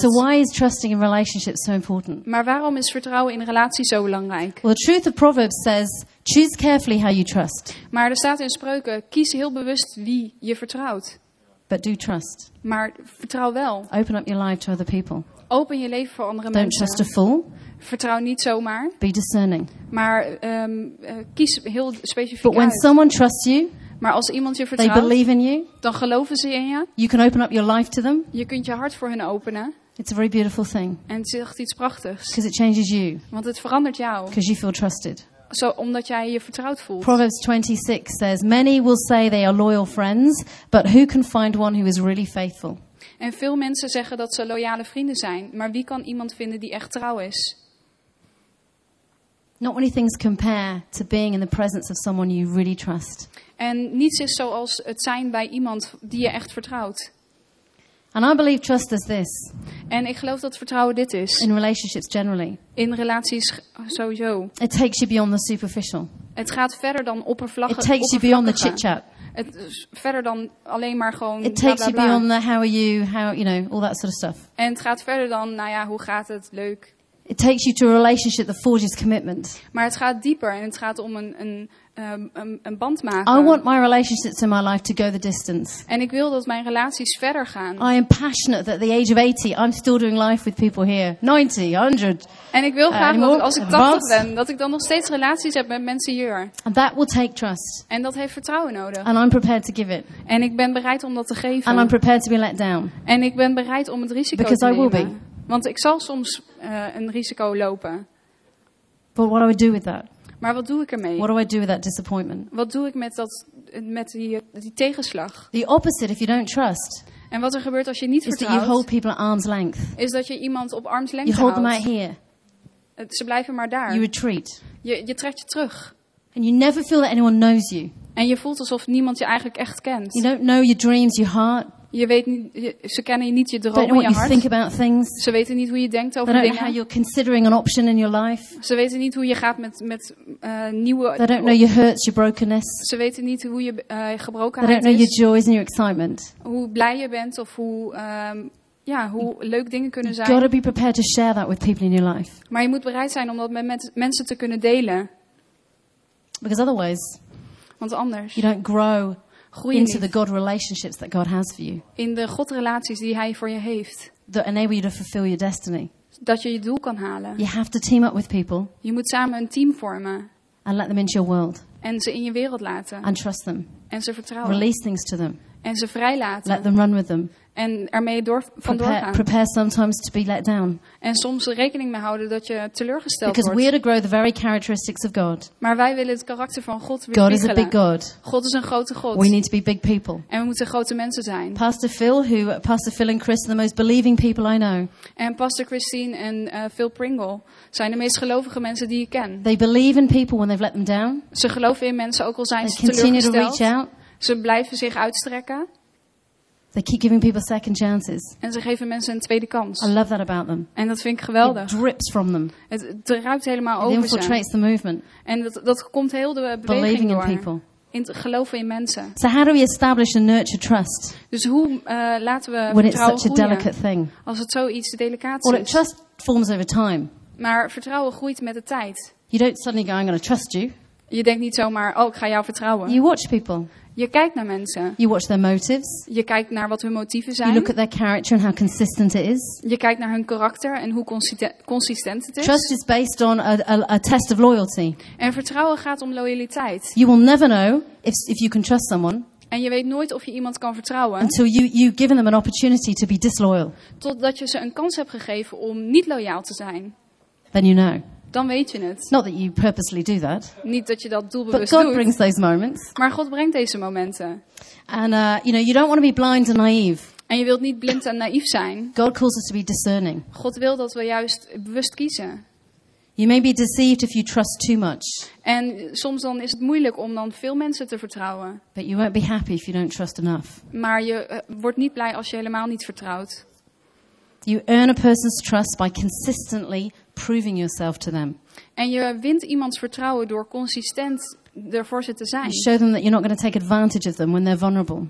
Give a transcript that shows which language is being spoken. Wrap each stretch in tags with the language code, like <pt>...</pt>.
<en>So why is trusting in relationships so important?</en> <nl>Maar waarom is vertrouwen in relaties zo belangrijk?</nl> <en>Well, the truth of Proverbs says, choose carefully how you trust.</en> <nl>Maar er staat in Spreuken, kies heel bewust wie je vertrouwt.</nl> <en>But do trust.</en> <nl>Maar vertrouw wel.</nl> <en>Open up your life to other people.</en> <nl>Open je leven voor andere</nl> <en>Don't</en> <nl>mensen.</nl> <en>Don't trust a fool.</en> <nl>Vertrouw niet zomaar.</nl> <en>Be discerning.</en> <nl>Maar kies heel specifiek</nl> <en>But when</en> <nl>uit.</nl> <en>Someone trusts you,</en> <nl>maar als iemand je vertrouwt,</nl> <en>they believe in you,</en> <nl>dan geloven ze in je.</nl> <en>You can open up your life to them.</en> <nl>Je kunt je hart voor hen openen.</nl> <en>It's a very beautiful thing.</en> <nl>En het zegt iets prachtigs.</nl> <en>Because it changes you.</en> <nl>Want het verandert jou.</nl> <en>Because you feel trusted.</en> <nl>Zo, omdat jij je vertrouwd voelt.</nl> <en>Proverbs 26 says, many will say they are loyal friends, but who can find one who is really faithful?</en> <nl>En veel mensen zeggen dat ze loyale vrienden zijn, maar wie kan iemand vinden die echt trouw is?</nl> <en>Not many things compare to being in the presence of someone you really trust.</en> <nl>En niets is zoals het zijn bij iemand die je echt vertrouwt.</nl> <en>And I believe trust is this.</en> <nl>En ik geloof dat vertrouwen dit is.</nl> <en>In relationships generally.</en> <nl>In relaties sowieso.</nl> <en>It takes you beyond the superficial.</en> <nl>Het gaat verder dan oppervlakkig.</nl> <en>It takes you beyond the chit-chat.</en> <nl>Het is verder dan alleen maar gewoon.</nl> <en>It takes</en> <nl>bla, bla, bla.</nl> <en>You beyond the how are you, how you know, all that sort of stuff.</en> <nl>En het gaat verder dan, nou ja, hoe gaat het, leuk.</nl> <en>It takes you to a relationship that forges commitment.</en> <nl>Maar het gaat dieper en het gaat om een band maken.</nl> <en>I want my relationships in my life to go the distance.</en> <nl>En ik wil dat mijn relaties verder gaan.</nl> <en>I am passionate that at the age of 80 I'm still doing life with people here. 90, 100.</en> <nl>En ik wil graag dat als ik 80 ben, dat ik dan nog steeds relaties heb met mensen hier.</nl> <en>And that will take trust.</en> <nl>En dat heeft vertrouwen nodig.</nl> <en>And I'm prepared to give it.</en> <nl>En ik ben bereid om dat te geven.</nl> <en>And I'm prepared to be let down.</en> <nl>En ik ben bereid om het risico te nemen.</nl> <en>Because I will be.</en> <nl>Want ik zal soms een risico lopen.</nl> <en>But what do I do with that?</en> <nl>Maar wat doe ik ermee?</nl> <en>What do I do with that disappointment?</en> <nl>Wat doe ik met die tegenslag?</nl> <en>The opposite if you don't trust.</en> <nl>En wat er gebeurt als je niet vertrouwt?</nl> <en>Is that you hold people at arm's length.</en> <nl>Is dat je iemand op armslengte houdt?</nl> <en>You hold them out here.</en> <nl>Ze blijven maar daar.</nl> <en>You retreat.</en> <nl>Je trekt je terug.</nl> <en>And you never feel that anyone knows you.</en> <nl>En je voelt alsof niemand je eigenlijk echt kent.</nl> <en>You don't know your dreams, your heart.</en> <nl>Je weet niet, ze kennen niet je droom,</nl> <en>don't know what</en> <nl>je hart. Ze weten niet hoe je denkt over</nl> <en>they don't</en> <nl>dingen.</nl> <en>Know how you're considering an option in your life.</en> <nl>Ze weten niet hoe je gaat met nieuwe.</nl> <en>They don't know your hurts, your brokenness.</en> <nl>Ze weten niet hoe je gebrokenheid is.</nl> <en>They don't know</en> <nl>is.</nl> <en>Your joys and your excitement.</en> <nl>Hoe blij je bent of hoe hoe leuk dingen kunnen zijn.</nl> <en>You've got to be prepared to share that with people in your life.</en> <nl>Maar je moet bereid zijn om dat met mensen te kunnen delen.</nl> <en>Because otherwise.</en> <nl>Want anders.</nl> <en>You don't grow. Into the God relationships that God has for you.</en> <nl>In de Godrelaties die Hij voor je heeft.</nl> <en>That enable you to fulfill your destiny.</en> <nl>Dat je doel kan halen.</nl> <en>You have to team up with people.</en> <nl>Je moet samen een team vormen.</nl> <en>And let them into your world.</en> <nl>En ze in je wereld laten.</nl> <en>And trust them.</en> <nl>En ze vertrouwen.</nl> <en>Release things to them.</en> <nl>En ze vrijlaten.</nl> <en>Let them run with them.</en> <nl>En ermee vandoor gaan.</nl> <en>Prepare sometimes to be let down.</en> <nl>En soms rekening mee houden dat je teleurgesteld</nl> <en>because</en> <nl>wordt.</nl> <en>Because we are to grow the very characteristics of God.</en> <nl>Maar wij willen het karakter van God weer</nl> <en>God is a big God.</en> <nl>God is een grote God.</nl> <en>We need to be big people.</en> <nl>En we moeten grote mensen zijn.</nl> <en>Pastor Phil and Chris are the most believing people I know.</en> <nl>En Pastor Christine en Phil Pringle zijn de meest gelovige mensen die ik ken.</nl> <en>They believe in people when they've let them down.</en> <nl>Ze geloven in mensen ook al zijn</nl> <en>they</en> <nl>ze teleurgesteld.</nl> <en>Continue to reach out.</en> <nl>Ze blijven zich uitstrekken.</nl> <en>They keep giving people second chances.</en> <nl>En ze geven mensen een tweede kans.</nl> <en>I love that about them.</en> <nl>En dat vind ik geweldig.</nl> <en>It drips from them.</en> <nl>Het ruikt helemaal over ze.</nl> <en>It infiltrates the movement.</en> <nl>En dat komt heel de beweging</nl> <en>believing</en> <nl>door.</nl> <en>In people.</en> <nl>In geloven in mensen.</nl> <en>So how do we establish and nurture trust?</en> <nl>Dus hoe laten we</nl> <en>when</en> <nl>vertrouwen</nl> <en>it's such a delicate thing.</en> <nl>Als het zoiets delicaats</nl> <en>well,</en> <nl>is.</nl> <en>Well, trust forms over time.</en> <nl>Maar vertrouwen groeit met de tijd.</nl> <en>You don't suddenly go, I'm going to trust you.</en> <nl>Je denkt niet zomaar, oh, ik ga jou vertrouwen.</nl> <en>You watch people.</en> <nl>Je kijkt naar mensen.</nl> <en>You watch their motives.</en> <nl>Je kijkt naar wat hun motieven zijn.</nl> <en>You look at their character and how consistent it is.</en> <nl>Je kijkt naar hun karakter en hoe consistent het is.</nl> <en>Trust is based on a test of loyalty.</en> <nl>En vertrouwen gaat om loyaliteit.</nl> <en>You will never know if you can trust someone.</en> <nl>En je weet nooit of je iemand kan vertrouwen.</nl> <en>Until you give them an opportunity to be disloyal.</en> <nl>Totdat je ze een kans hebt gegeven om niet loyaal te zijn.</nl> <en>Then you know.</en> <nl>Dan weet je het.</nl> <en>Not that you purposely do that.</en> <nl>Niet dat je dat doelbewust doet.</nl> <en>But God brings those moments.</en> <nl>Maar God brengt deze momenten.</nl> <en>And you know, you don't want to be blind and naive.</en> <nl>En je wilt niet blind en naïef zijn.</nl> <en>God calls us to be discerning.</en> <nl>God wil dat we juist bewust kiezen.</nl> <en>You may be deceived if you trust too much.</en> <nl>En soms dan is het moeilijk om dan veel mensen te vertrouwen.</nl> <en>But you won't be happy if you don't trust enough.</en> <nl>Maar je wordt niet blij als je helemaal niet vertrouwt.</nl> <en>You earn a person's trust by consistently proving yourself to them.</en> <nl>En je wint iemands vertrouwen door consistent ervoor ze te zijn.</nl> <en>You show them that you're not going to take advantage of them when they're vulnerable.</en>